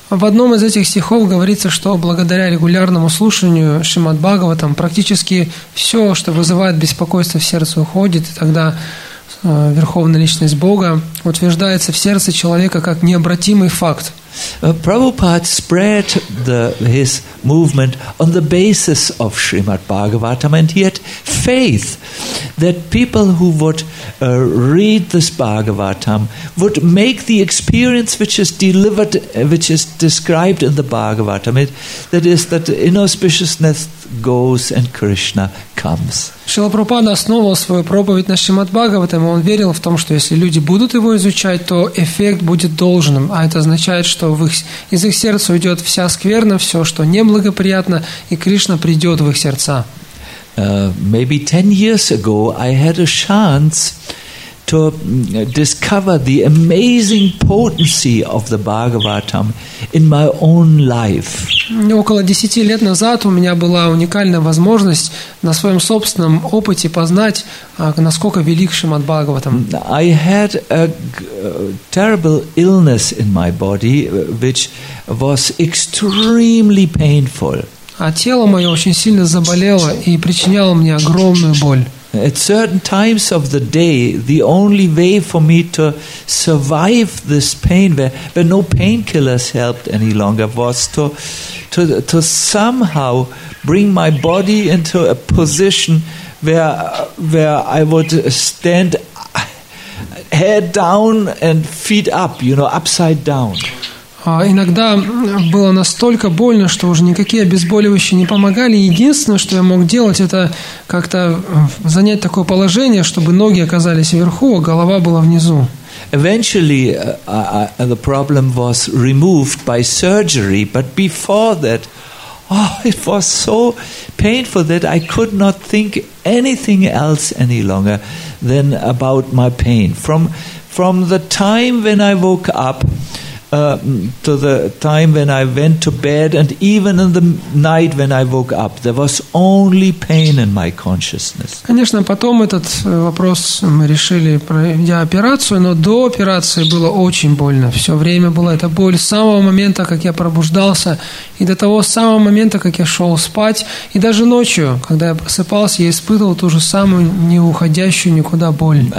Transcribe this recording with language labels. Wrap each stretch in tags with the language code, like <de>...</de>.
<ru>В одном из этих стихов говорится, что благодаря регулярному слушанию Шримад Бхагаватам практически все, что вызывает беспокойство в сердце, уходит, и тогда Верховная Личность Бога утверждается в сердце человека как необратимый факт.</ru> <en>Prabhupada spread his movement on the basis of Srimad Bhagavatam, and he had faith that people who would read this Bhagavatam would make the experience which is delivered, which is described in the Bhagavatam. That is, that inauspiciousness goes and Krishna comes.</en> <ru>Шрила Прабхупада основывал свою проповедь на Шримад Бхагаватам, и он верил в том, что если люди будут его изучать, то эффект будет должным. А это означает, что из их сердца уйдет вся скверна, все, что неблагоприятно, и Кришна придет в их сердца.</ru> <en>Maybe 10 years ago I had a chance to discover the amazing potency of the Bhagavatam in my own life.</en> <ru>Около 10 лет назад у меня была уникальная возможность на своем собственном опыте познать, насколько велик Шримад Бхагаватам.</ru> <en>I had a terrible illness in my body, which was extremely painful.</en> <ru>А тело мое очень сильно заболело и причиняло мне огромную боль.</ru> <en>At certain times of the day, the only way for me to survive this pain, where no painkillers helped any longer, was to somehow bring my body into a position where I would stand head down and feet up, you know, upside down.</en> <ru>Иногда было настолько больно, что уже никакие обезболивающие не помогали. Единственное, что я мог делать, это как-то занять такое положение, чтобы ноги оказались вверху, а голова была внизу.</ru> <en>Eventually, the problem was removed by surgery, but before that, it was so painful that I could not think anything else any longer than about my pain. From the time when I woke up, to the time when I went to bed, and even in the night when I woke up, there was only pain in my consciousness.</en> <ru>Конечно, потом этот вопрос мы решили, проведя операцию, но до операции было очень больно. Все время была эта боль с самого момента, как я пробуждался, и до того самого момента, как я шел спать, и даже ночью, когда я просыпался, я испытывал ту же самую неуходящую никуда боль.</ru>